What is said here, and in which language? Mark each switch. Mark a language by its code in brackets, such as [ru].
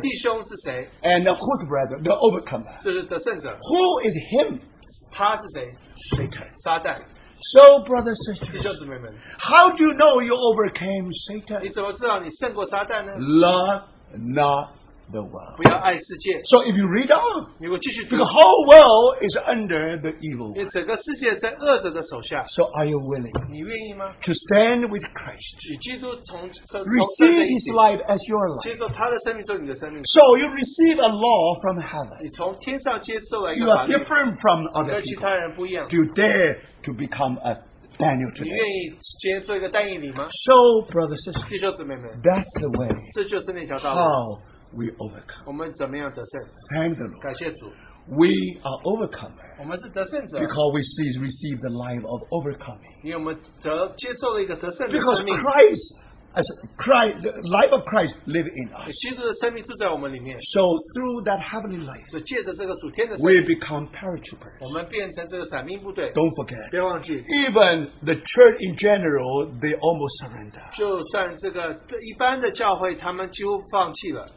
[zh] 弟兄是谁? [en] And of course the brethren, the overcomer, [zh] 是得胜者, [en] who is him? [zh] 他是谁? [en] Satan. [zh] 撒旦. [en] So, brothers and sisters, [zh] 弟兄姊妹们, [en] how do you know you overcame Satan? [zh] 你怎么知道你胜过撒旦呢? [en] Love not the world. [zh] 不要爱世界, [en] so if you read on, [zh] 你如果继续读, [en] the whole world is under the evil one. [zh] 整个世界在恶者的手下, [en] so are you willing [zh] 你愿意吗? [en] To stand with Christ? [zh] 与基督从, [en] receive his life as your life. [zh] 接受他的生命做你的生命, [en] so you receive a law from heaven. [zh] 你从天上接受了一个法律, [en] you are different from other people. [zh] 跟其他人不一样, [en] do you dare to become a Daniel today? So, brothers and sisters, [zh] 弟兄姊妹们, [en] that's the way. [zh] 这就是那条道路, [en] how we overcome. Thank the Lord. [zh] 感谢主, [en] we are overcomers. [zh] 我们是得胜者, [en] because we see, receive the life of overcoming. [zh] 因为我们得, [en] because Christ, as Christ, the life of Christ live in us. So through that heavenly life, [zh] 所以借着这个主天的生命, [en] we become paratroopers. [zh] 我们变成这个伞兵部队, [en] don't forget. [zh] 别忘记, [en] even the church in general, they almost surrender. [zh] 就算这个一般的教会, 他们几乎放弃了,